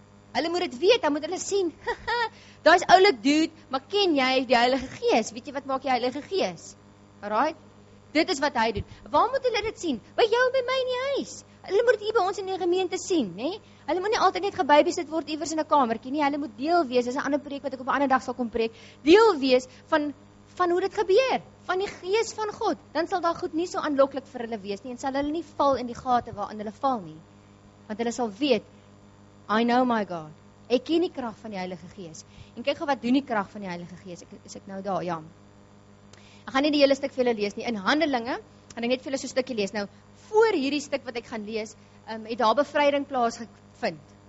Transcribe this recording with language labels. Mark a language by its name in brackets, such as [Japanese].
[Afrikaans] Hulle moet dit weet, dan moet hulle sien. Daai's oulik dude, maar ken jy die Heilige Gees? Weet jy wat maak die Heilige Gees? Alraai. Dit is wat hy doen. Waar moet hulle dit sien? By jou en by my in die huis. Hulle moet dit by ons in die gemeente sien, nê? Nee? Hulle moet nie altyd net gebabysit word iewers in 'n kamertjie nie. Hulle moet deel wees. Dis 'n ander preek wat ek op 'n ander dag sal kom preek. Deel wees van hoe dit gebeur. Van die Gees van God, dan sal daar goed nie so aanloklik vir hulle wees nie, en sal hulle nie val in die gate waarin hulle val nie. Want hulle sal weet, [English] I know my God, [Afrikaans] Ek ken die krag van die Heilige Gees. En kyk gou wat doen die krag van die Heilige Gees. Ek nou daar, ja. Ek gaan nie die hele stuk vir julle lees nie. In Handelinge, en ek net vir julle so 'n stukkie lees. Nou, voor hierdie stuk wat ek gaan lees, het daar bevryding plaasgevind.